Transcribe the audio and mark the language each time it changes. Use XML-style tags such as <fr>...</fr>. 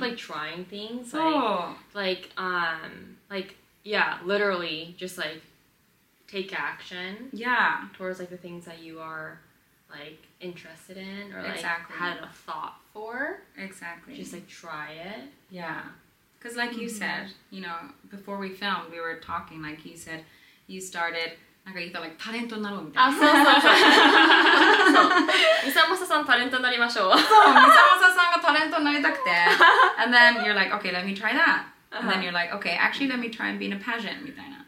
<en>like trying things, like literally just like take action towards like the things that you are like interested in or like had a thought for. Exactly. Just like try it. Yeah. Because like you said, you know, before we filmed, we were talking, like you said, you started, like</en> <ja>talento になろうみたいな。あ、そうそうそう。そう。ミサモサさんタレントになりましょう。そう、ミサモサさんがタレントになりたくて。</ja> <en>And then you're like, okay, let me try that. And then you're like, okay, actually, let me try and be in a pageant, みたいな.</en>